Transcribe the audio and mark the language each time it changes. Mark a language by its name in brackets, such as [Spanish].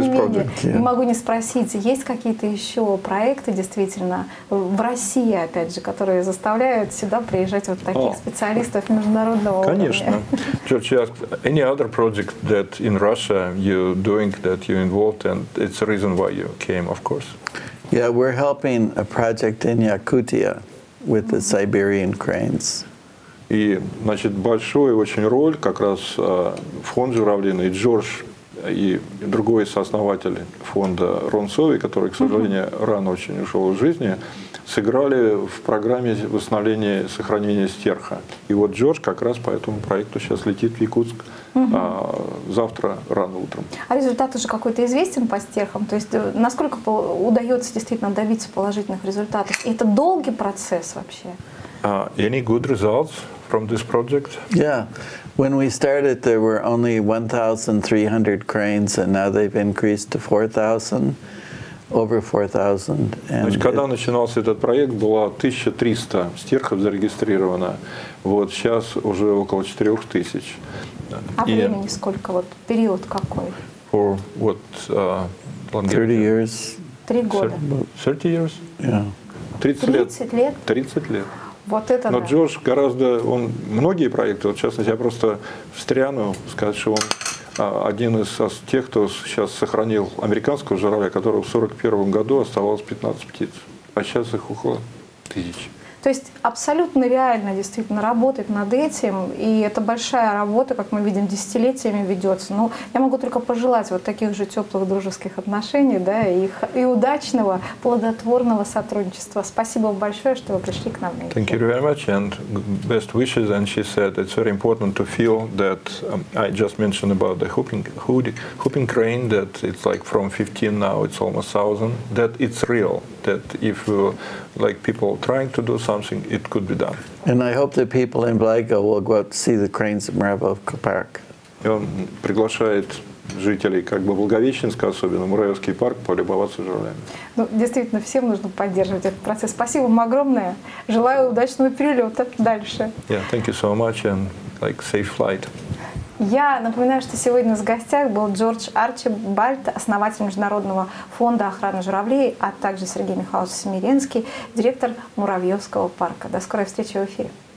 [Russian] не менее, не могу не спросить, есть какие-то еще проекты действительно в России, опять же, которые заставляют сюда приезжать вот таких специалистов международного уровня? Конечно. [English] Джордж, any other project that in Russia you're doing, that you're involved, and it's the reason why you came, of course? Yeah, we're helping a project in Yakutia with the Siberian cranes. [Russian] И, значит, большую очень роль как раз фонд журавлиный, Джордж и другой сооснователь фонда Ронцови, который, к сожалению, рано очень ушел из жизни, сыграли в программе восстановления и сохранения стерха. И вот Джордж как раз по этому проекту сейчас летит в Якутск завтра рано утром. А результат уже какой-то известен по стерхам? То есть насколько удается действительно добиться положительных результатов? И это долгий процесс вообще? [English] Any good results from this project? Yeah. When we started, there were only 1,300 cranes, and now they've increased to 4,000. Over 4,000. [Russian] Значит, когда начинался этот проект, было 1300 стерхов зарегистрировано. Вот сейчас уже около 4000. А времени сколько? Вот период какой? [English] For what? 30 years. [Russian] Три года. [English] 30 years? Yeah. [Russian] 30 лет. 30 лет. Вот это. Но да. Джордж гораздо, он многие проекты. Вот в частности, я просто встряну сказать, что он один из тех, кто сейчас сохранил американского журавля, которого в 1941 году оставалось 15 птиц, а сейчас их около 1000. То есть абсолютно реально действительно работать над этим, и это большая работа, как мы видим, десятилетиями ведется. Но я могу только пожелать вот таких же теплых дружеских отношений, да, и удачного, плодотворного сотрудничества. Спасибо вам большое, что вы пришли к нам. [English] Thank you very much and best wishes. And she said it's very important to feel that I just mentioned about the hooping crane, that it's like from 15 now it's almost 1,000, that it's real, that if you like people trying to do something, it could be done. And I hope that people in Blago will go out to see the cranes at Муравьевка Park. [Russian] И он приглашает жителей как бы Благовещенска, особенно Муравьевский парк, полюбоваться журавлями. Ну, действительно, всем нужно поддерживать этот процесс. Спасибо вам огромное. Желаю удачного перелета дальше. [English] Yeah, thank you so much and like safe flight. [Russian] Я напоминаю, что сегодня в гостях был Джордж Арчибальд, основатель Международного фонда охраны журавлей, а также Сергей Михайлович Семиренский, директор Муравьевского парка. До скорой встречи в эфире.